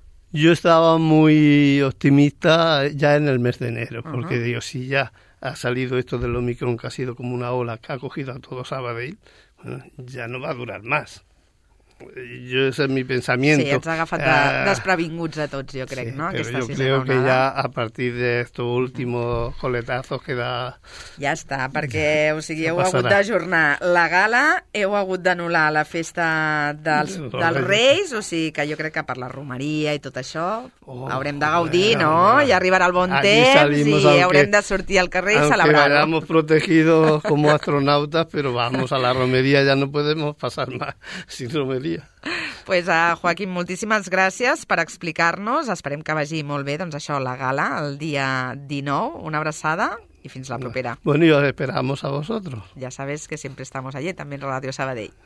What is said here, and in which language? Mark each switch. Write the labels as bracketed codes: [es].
[es] Yo estaba muy optimista ya en el mes de enero, porque digo, si ya ha salido esto del Omicron, que ha sido como una ola que ha cogido a todo Sabadell, bueno, ya no va a durar más. Yo, ese es mi pensamiento. [ca] Sí, ens ha agafat desprevinguts a tots, jo crec, sí, no? Però jo crec que ja a partir d' [es] estos últimos coletazos queda... [ca] Ja està, perquè, ja, o sigui, heu passarà. Hagut d'ajornar la gala, heu hagut d'anul·lar la festa dels Reis, o sigui que jo crec que per la romeria i tot això haurem de gaudir, no? I arribarà el bon temps i haurem de sortir al carrer i celebrar. [es] Aunque vayamos protegidos como astronautas, pero vamos a la romería, ya no podemos pasar más sin romería. Pues [ca] a Joaquín, moltíssimes gràcies per explicar-nos. Esperem que vagi molt bé, doncs, això, la gala, el dia 19. Una abraçada i fins la propera. [es] Bueno, y os esperamos a vosotros. Ya sabes que siempre estamos allí, también Radio Sabadell.